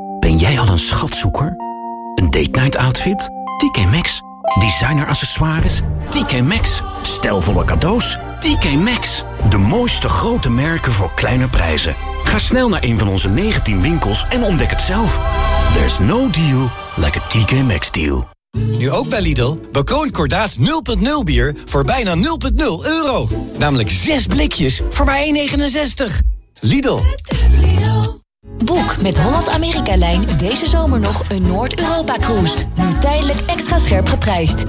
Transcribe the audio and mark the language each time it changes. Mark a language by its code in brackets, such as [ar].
[nl] Ben jij al een schatzoeker? Een date night outfit? TK Maxx. Designer accessoires? TK Maxx. Stijlvolle cadeaus? TK Maxx. De mooiste grote merken voor kleine prijzen. Ga snel naar een van onze 19 winkels en ontdek het zelf. [en] There's no deal like a TK Maxx deal. [nl] Nu ook bij Lidl, Bacoon Cordaat 0.0 bier voor bijna 0.0 euro. Namelijk 6 blikjes voor maar 1,69. Lidl. Boek met Holland-Amerika-Lijn deze zomer nog een Noord-Europa-cruise. Nu tijdelijk extra scherp geprijsd.